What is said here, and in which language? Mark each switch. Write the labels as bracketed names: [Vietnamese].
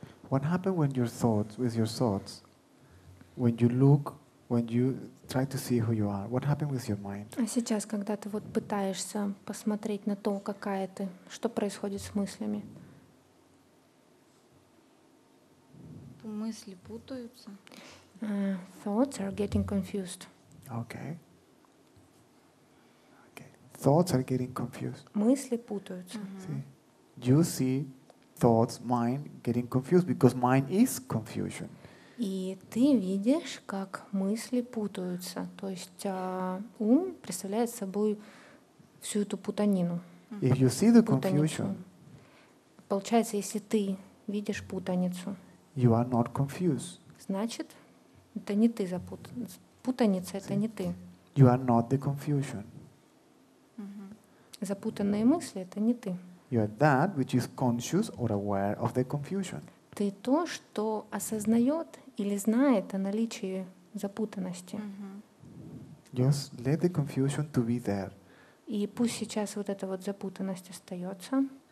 [English] What happens when your thoughts, with your thoughts, when you look, when you try to see who you are, what happens with your mind? [Russian] А сейчас, когда ты вот пытаешься посмотреть на то, какая ты, что происходит с мыслями? Мысли путаются. [English] Thoughts are getting confused. Okay. Thoughts are getting confused. [Russian] Мысли путаются. [English] Mm-hmm. See? You see thoughts, mind getting confused because mind is confusion. [Russian] И ты видишь, как мысли путаются. То есть ум представляет собой всю эту путанину. [English] If you see the confusion, [Russian] получается, если ты видишь путаницу, [English] you are not confused. [Russian] Значит, это не ты запутан. Путаница — это не ты. [English] You are not the confusion. [Russian] Запутанные мысли — это не ты. [English] You are that which is conscious or aware of the confusion. [Russian] Ты то, что осознает или знает о наличии запутанности. [English] Just let the confusion to be there. [Russian] И пусть сейчас вот эта вот запутанность остается.